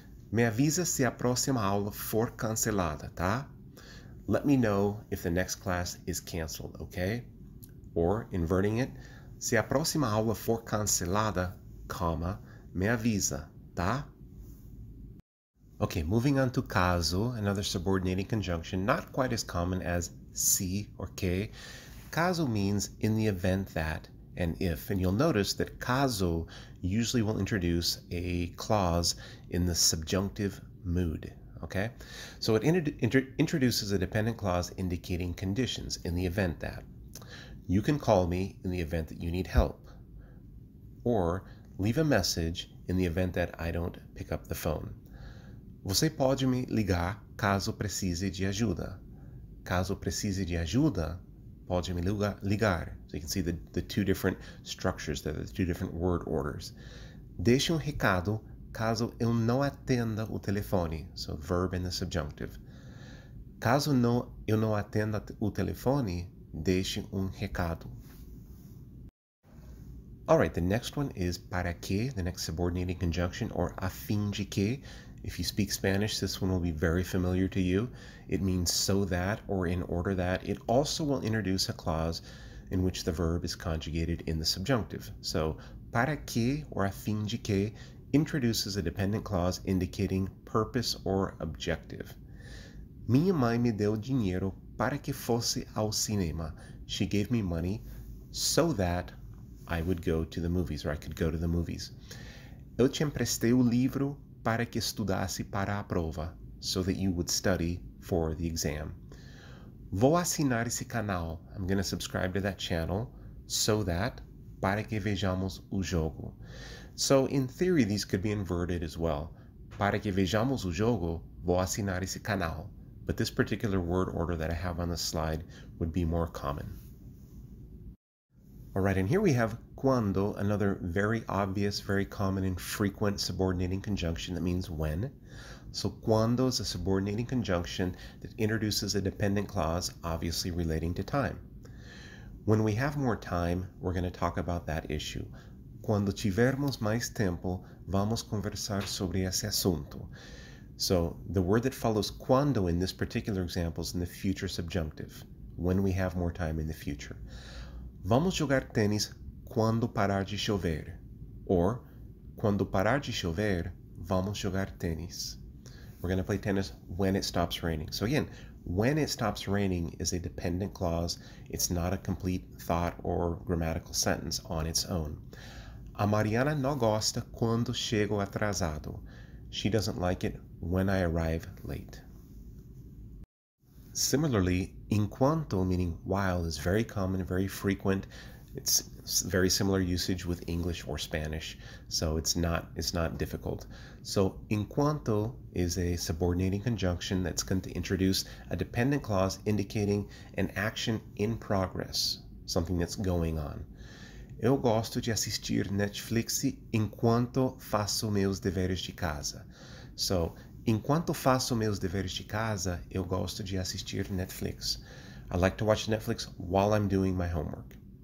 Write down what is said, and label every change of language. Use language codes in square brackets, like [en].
[pt] Me avisa se a próxima aula for cancelada, tá? [en] Let me know if the next class is canceled, okay? Or, inverting it, [pt] se a próxima aula for cancelada, [en] comma, [pt] me avisa, tá? [en] Okay, moving on to caso, another subordinating conjunction, not quite as common as se or que. Caso means in the event that and if. And you'll notice that caso usually will introduce a clause in the subjunctive mood, okay? So it introduces a dependent clause indicating conditions in the event that. You can call me in the event that you need help. Or leave a message in the event that I don't pick up the phone. [pt] Você pode me ligar caso precise de ajuda. Caso precise de ajuda, pode me ligar. [en] So you can see the two different structures, the two different word orders. [pt] Deixe recado caso eu não atenda o telefone. [en] So verb in the subjunctive. [pt] Caso não, eu não atenda o telefone, deixe recado. [en] All right, the next one is para que, the next subordinating conjunction, or a fim de que. If you speak Spanish, this one will be very familiar to you. It means so that or in order that. It also will introduce a clause in which the verb is conjugated in the subjunctive. So, para que or a fin de que introduces a dependent clause indicating purpose or objective. [pt] Minha mãe me deu dinheiro para que fosse ao cinema. [en] She gave me money so that I would go to the movies or I could go to the movies. [pt] Eu te emprestei o livro para que estudasse para a prova, [en] so that you would study for the exam. [pt] Vou assinar esse canal. [en] I'm going to subscribe to that channel, so that, [pt] para que vejamos o jogo. [en] So, in theory, these could be inverted as well. [pt] Para que vejamos o jogo, vou assinar esse canal. [en] But this particular word order that I have on the slide would be more common. All right, and here we have quando, another very obvious, very common and frequent subordinating conjunction that means when. So quando is a subordinating conjunction that introduces a dependent clause, obviously relating to time. When we have more time, we're going to talk about that issue. [pt] Quando tivermos mais tempo, vamos conversar sobre esse assunto. [en] So the word that follows quando in this particular example is in the future subjunctive, when we have more time in the future. [pt] Vamos jogar tênis quando parar de chover. Or, quando parar de chover, vamos jogar tênis. [en] We're going to play tennis when it stops raining. So again, when it stops raining is a dependent clause. It's not a complete thought or grammatical sentence on its own. [pt] A Mariana não gosta quando chego atrasado. [en] She doesn't like it when I arrive late. Similarly, enquanto, meaning while, is very common, very frequent. It's very similar usage with English or Spanish, so it's not difficult. So, enquanto is a subordinating conjunction that's going to introduce a dependent clause indicating an action in progress, something that's going on. [pt] Eu gosto de assistir Netflix enquanto faço meus deveres de casa. So, enquanto faço meus deveres de casa, eu gosto de assistir Netflix. [en] I like to watch Netflix while I'm doing my homework.